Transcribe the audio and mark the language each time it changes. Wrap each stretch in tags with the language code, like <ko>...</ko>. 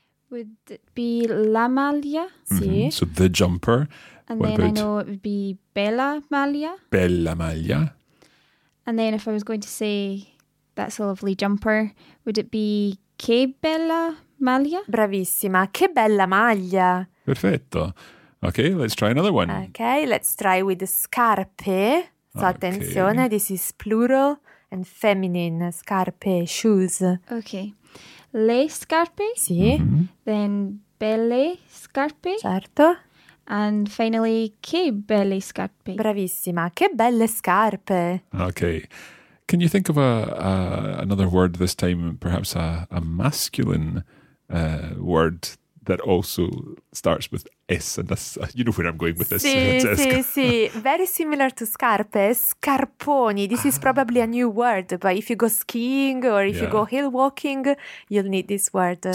<en>Would it be la maglia? Mm-hmm. Sì. So the jumper. And what then about? I know it would be</en> <it>bella maglia. Bella maglia.</it> <en>And then if I was going to say, that's a lovely jumper, would it be</en> <it>che bella maglia? Bravissima, che bella maglia. Perfetto.</it> <en>Okay, let's try another one. Okay, let's try with the scarpe. So okay. Attenzione, this is plural and feminine, scarpe, shoes.</en> <it>Okay, le scarpe. Sì. Mm-hmm. Then belle scarpe. Certo.</it> <en>And finally,</en> <it>che belle scarpe. Bravissima, che belle scarpe.</it> <en>Okay. Can you think of another word this time, perhaps a masculine word that also starts with S? And that's, you know where I'm going with this,</en> <it>sì,</it> <en>Francesca. Sì, sì, very similar to scarpe, scarponi. This is probably a new word, but if you go skiing or if you go hill walking, you'll need this word.</en>